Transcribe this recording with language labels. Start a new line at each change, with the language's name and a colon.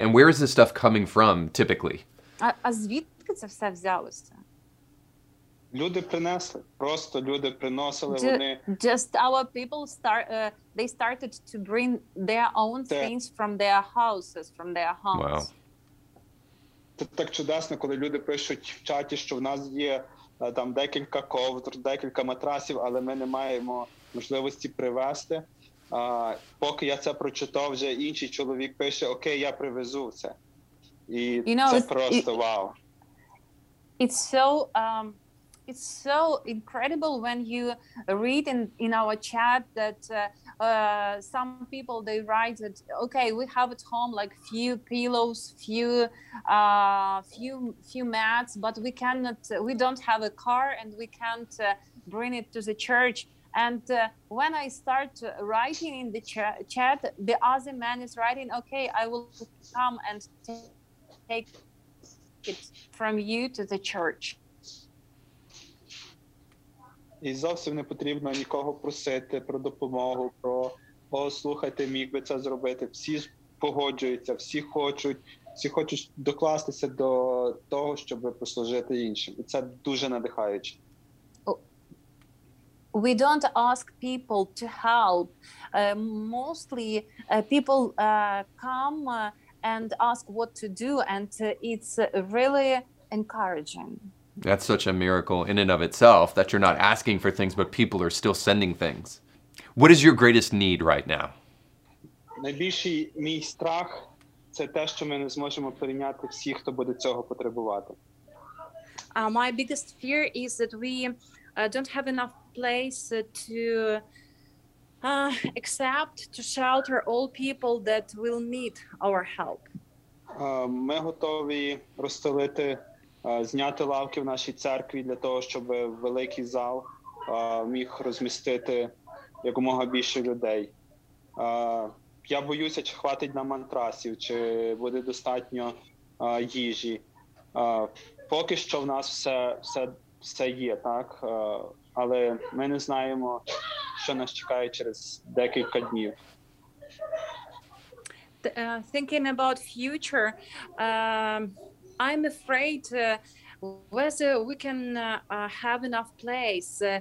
English: And where is this stuff coming from, typically?
Ukrainian: А звідки це все взялося? Люди принесли. Просто люди приносили, вони...
English: Just our people started to bring their own things from their houses, from their homes. Wow.
Ukrainian: Це так чудесно, коли люди пишуть в чаті, що в нас є там декілька ковдр, декілька матрасів, але ми не маємо можливості привезти. Поки я це прочитав, вже інший чоловік пише: "Окей, я привезу це." І це просто вау.
English: It's so incredible when you read in our chat that some people they write that okay, we have at home like few pillows, few mats, but we cannot, we don't have a car and we can't bring it to the church. And when I start writing in the chat, the other man is writing, okay, I will come and take it from you to the church.
Ukrainian: І зовсім не потрібно нікого просити про допомогу, про о, слухайте, міг би це зробити. Всі погоджуються, всі хочуть докластися до того, щоб послужити іншим. І це дуже надихаюче.
English: We don't ask people to help. Mostly people come and ask what to do, and it's really encouraging. That's such a miracle in and of itself, that you're not asking for things, but people are still sending things. What is your greatest need right now?
Ukrainian: Найбільший мій страх – це те, що ми не зможемо прийняти всіх, хто буде цього потребувати.
English: My biggest fear is that we don't have enough place to except to shelter all people that will need our help.
Ukrainian: Ми готові розстелити, зняти лавки в нашій церкві для того, щоб великий зал міг розмістити якомога більше людей. Я боюся, чи хватить нам матрасів, чи буде достатньо їжі. Поки що в нас все є, так? Але ми не знаємо, що нас чекає через декілька днів.
English: Thinking about future, I'm afraid whether we can have enough place.